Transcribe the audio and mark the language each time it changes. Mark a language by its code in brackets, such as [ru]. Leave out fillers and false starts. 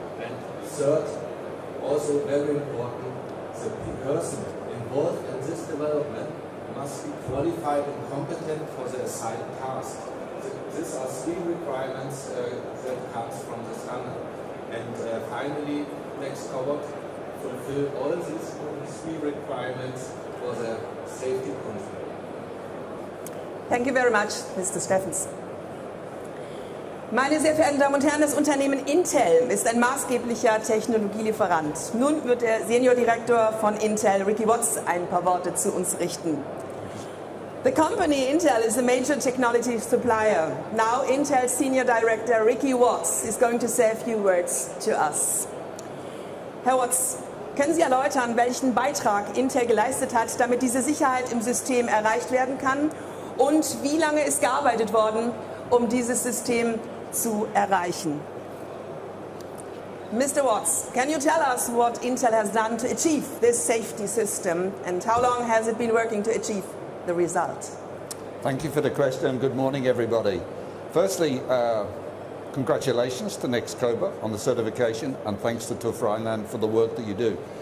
[en] And third, also very important, the person involved in this development must be qualified and competent for the assigned task. These are three requirements that comes from the standard. And finally, Next Cobot fulfill all these three requirements for the safety control. Thank you very much, Mr. Steffens. [de] Meine sehr verehrten Damen und Herren, das Unternehmen Intel ist ein maßgeblicher Technologielieferant. Nun wird der Seniordirektor von Intel, Ricky Watts, ein paar Worte zu uns richten. [en] The company Intel is a major technology supplier. Now Intel Senior Director Ricky Watts is going to say a few words to us. [de] Herr Watts, können Sie erläutern, welchen Beitrag Intel geleistet hat, damit diese Sicherheit im System erreicht werden kann? Und wie lange ist gearbeitet worden, um dieses System zu erreichen? [en] Mr. Watts, can you tell us what Intel has done to achieve this safety system and how long has it been working to achieve the result? Thank you for the question. Good morning, everybody. Firstly, congratulations to NextCobot on the certification and thanks to TÜV Rheinland for the work that you do.